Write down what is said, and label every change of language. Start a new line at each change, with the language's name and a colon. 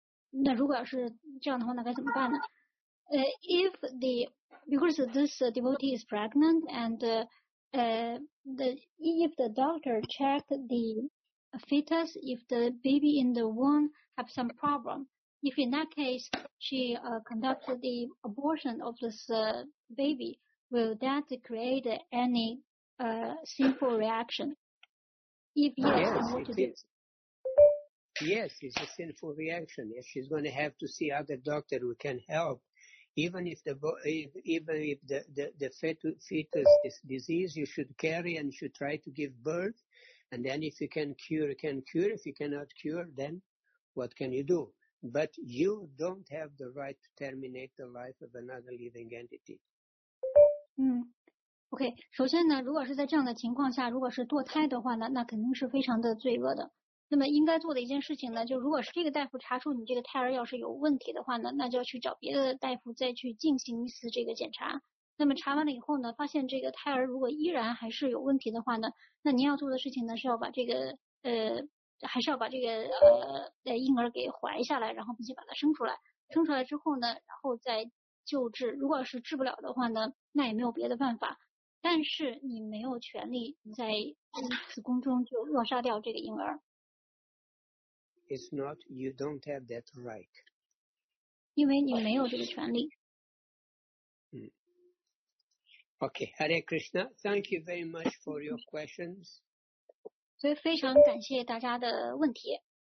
Chinese: 那如果要是这样的话，那该怎么办呢？
English: If the because this devotee is pregnant and if the doctor checked the fetus, if the baby in the womb have some problem, if in that case she conducted the abortion of this baby, will that create any simple reaction? If yes, it is. Yes, it's a sinful reaction. Yes, she's going to have to see other doctor who can help. Even if the fetus is disease, you should carry and should try to give birth. And then if you can cure, can cure. If you cannot cure, then what can you do? But you don't have the right to terminate the life of another living entity.
Chinese: OK, 首先呢，如果是在这样的情况下，如果是堕胎的话呢，那肯定是非常的罪恶的。那么应该做的一件事情呢，就如果是这个大夫查出你这个胎儿要是有问题的话呢，那就要去找别的大夫再去进行一次这个检查。那么查完了以后呢，发现这个胎儿如果依然还是有问题的话呢，那您要做的事情呢，是要把这个还是要把这个婴儿给怀下来，然后并且把它生出来。生出来之后呢，然后再救治。如果是治不了的话呢，那也没有别的办法。但是你没有权利在子宫中就扼杀掉这个婴儿。
English: It's not, you don't have that right.
Chinese: 因为你没有这个权利。
English: Okay, Hare Krishna, thank you very much for your questions.
Chinese: 所以非常感谢大家的问题。